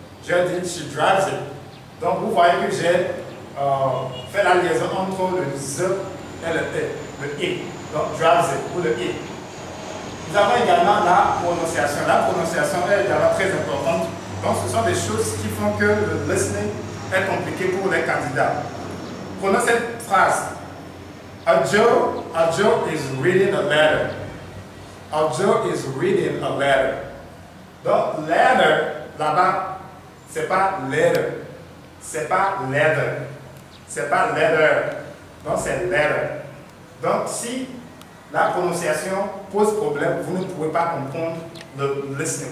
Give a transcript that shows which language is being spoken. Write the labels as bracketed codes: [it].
[fr] J'ai dit [en] she drives it. [fr] Donc vous voyez que j'ai fait la liaison entre le z et le t, le i. Donc [en] drives it [fr] ou le i. Nous avons également la prononciation. La prononciation est également très importante. Donc, ce sont des choses qui font que le listening est compliqué pour les candidats. Prenons cette phrase. [en] A Joe is reading a letter. A Joe is reading a letter. [fr] Donc, letter, là-bas, c'est pas letter. C'est pas letter. C'est pas letter. Donc, c'est letter. Donc, si la prononciation pose problème, vous ne pouvez pas comprendre le listening.